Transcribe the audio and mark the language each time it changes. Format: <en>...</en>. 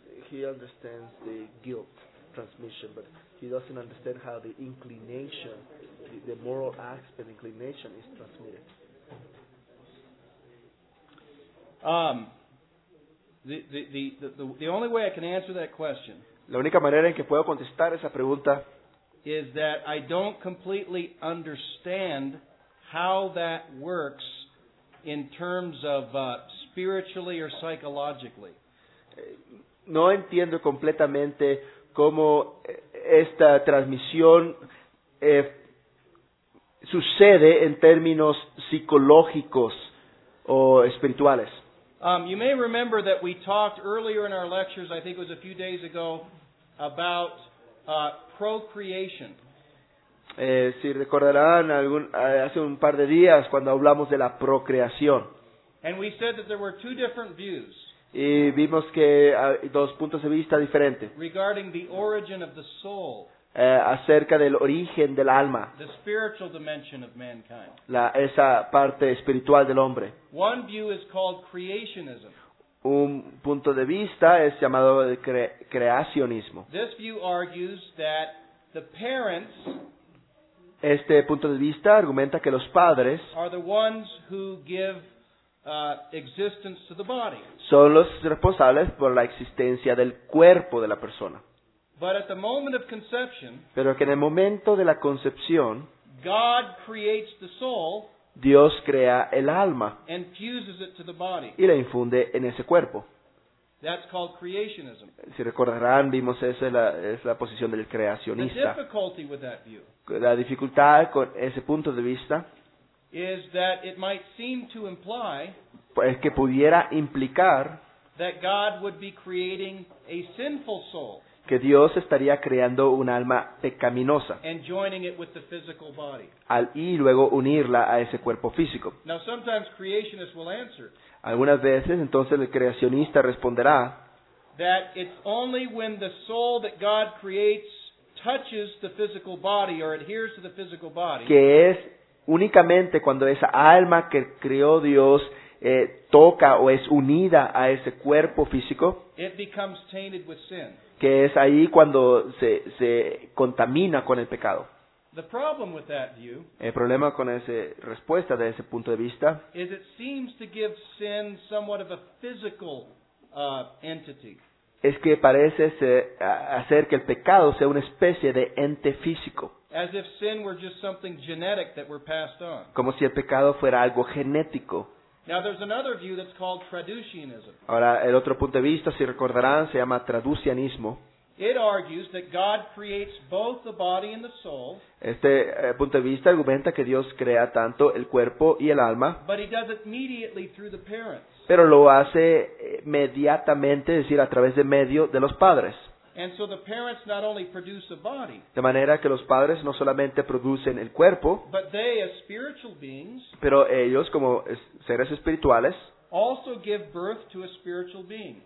<en>He understands the guilt transmission, but he doesn't understand how the inclination, the moral aspect inclination is transmitted. The only way I can answer that question,</en> <es>la única manera en que puedo contestar esa pregunta,</es> <en>is that I don't completely understand how that works in terms of spiritually or psychologically.</en> <es>No entiendo completamente cómo esta transmisión sucede en términos psicológicos o espirituales.</es> <en>You may remember that we talked earlier in our lectures, I think it was a few days ago, about procreation.</en> <es>Si recordarán, hace un par de días cuando hablamos de la procreación.</es> <en>And we said that there were two different views.</en> <es>Y vimos que hay dos puntos de vista diferentes.</es> <en>Regarding the origin of the soul.</en> <es>Acerca del origen del alma.</es> <en>The spiritual dimension of mankind.</en> <es>Esa parte espiritual del hombre.</es> <en>One view is called creationism.</en> <es>Un punto de vista es llamado el creacionismo.</es> <en>This view argues that the parents...</en> <es>Este punto de vista argumenta que los padres</es> <en>are the ones who give, existence to the body.</en> <es>Son los responsables por la existencia del cuerpo de la persona.</es> <en>But at the moment of conception,</en> <es>pero que en el momento de la concepción,</es> <en>God creates the soul,</en> <es>Dios crea el alma</es> <en>and fuses it to the body.</en> <es>Y la infunde en ese cuerpo.</es> <en>That's called creationism.</en> <es>Si recordarán, vimos esa es la posición del creacionista.</es> <en>The difficulty with that view,</en> <es>la dificultad con ese punto de vista</es> <en>is that it might seem to imply,</en> <es>es que pudiera implicar</es> <en>that God would be creating a sinful soul,</en> <es>que Dios estaría creando un alma pecaminosa</es> <en>and joining it with the physical body.</en> <es>Y luego unirla a ese cuerpo físico.</es> <en>Now, sometimes creationists will answer,</en> <es>algunas veces, entonces, el creacionista responderá</es> <en>that it's only when the soul that God creates touches the physical body or adheres to the physical body,</en> <es>que es únicamente cuando esa alma que creó Dios toca o es unida a ese cuerpo físico,</es> <en>it becomes tainted with sin,</en> <es>que es ahí cuando se contamina con el pecado.</es> <en>The problem with that view,</en> <es>el problema con esa respuesta de ese punto de vista,</es> <en>is it seems to give sin somewhat of a physical entity.</en> <es>Es que parece hacer que el pecado sea una especie de ente físico.</es> <en>As if sin were just something genetic that were passed on.</en> <es>Como si el pecado fuera algo genético.</es> <en>Now there's another view that's called traducianism.</en> <es>Ahora, el otro punto de vista, si recordarán, se llama traducianismo.</es> <en>It argues that God creates both the body and the soul.</en> <es>Este punto de vista argumenta que Dios crea tanto el cuerpo y el alma.</es> <en>But he does it immediately through the parents.</en> <es>Pero lo hace inmediatamente, es decir, a través de medio de los padres.</es> <en>And so the parents not only produce a body,</en> <es>de manera que los padres no solamente producen el cuerpo,</es> <en>but they, as spiritual beings,</en> <es>pero ellos como seres espirituales</es> <en>also give birth to a spiritual being.</en>